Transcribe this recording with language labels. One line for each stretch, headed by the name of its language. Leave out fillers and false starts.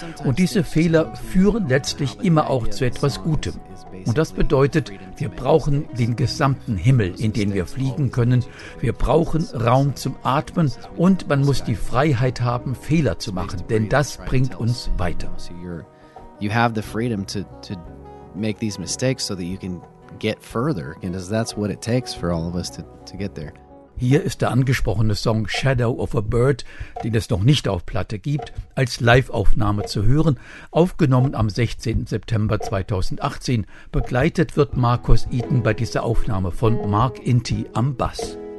German: Und diese Fehler führen letztlich immer auch zu etwas Gutem. Und das bedeutet, wir brauchen den gesamten Himmel, in den wir fliegen können. Wir brauchen Raum zum Atmen und man muss die Freiheit haben, Fehler zu machen, denn das bringt uns weiter.
English: You have the freedom to make these mistakes so that you can get further, and that's what it takes for all of us to get there.
German: Hier ist der angesprochene Song Shadow of a Bird, den es noch nicht auf Platte gibt, als Live-Aufnahme zu hören, aufgenommen am 16. September 2018. Begleitet wird Marcus Eaton bei dieser Aufnahme von Mark Inti am Bass.